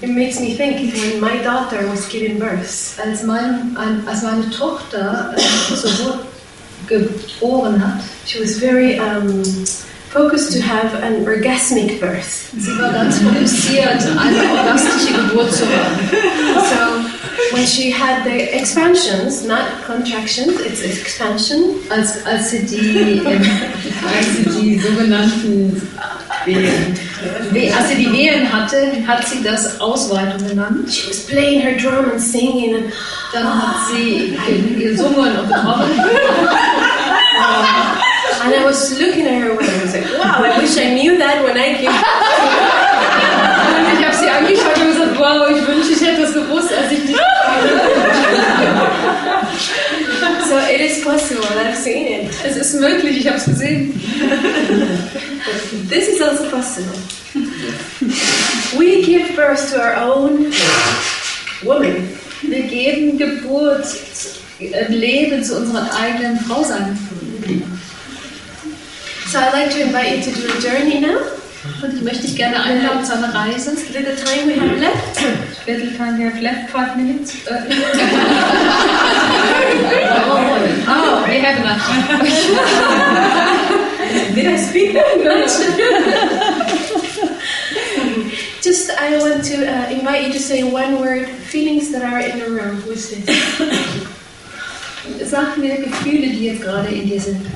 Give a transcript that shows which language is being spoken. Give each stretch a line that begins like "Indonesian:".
English: It makes me think when my daughter was giving birth.
German: Als meine Tochter zur Geburt geboren hat,
English: she was very focused to have an orgasmic birth.
German: Sie war ganz fokussiert, eine orgastische Geburt zu haben.
English: So, when she had the expansions, not contractions, it's expansion.
German: Als sie die sogenannten Wehen. Als sie die Wehen hatte, hat sie das Ausweitung genannt.
English: She was playing her drum and singing. And
German: dann hat sie gesungen und getroffen.
English: And I was looking at her and I was like, wow, I wish I knew that when I came.
German: Und ich habe sie angeschaut und gesagt, wow, ich wünsche, ich hätte das gewusst, als ich dich.
English: So it is possible, I've seen it.
German: Es ist möglich, ich habe es gesehen.
English: This is also possible. We give birth to our own woman.
German: Wir geben Geburt, Leben zu unserer eigenen Frau sein.
English: So I'd like to invite you to do a journey now.
German: Und ich möchte dich gerne einladen zu einer Reise.
English: The time we have left. little time we have left, 5 minutes. Oh, we have enough. Did I speak that much? Just, I want to invite you to say one word, feelings that are in the room. Who is this?
German: Sag mir Gefühle, die jetzt gerade in dir sind.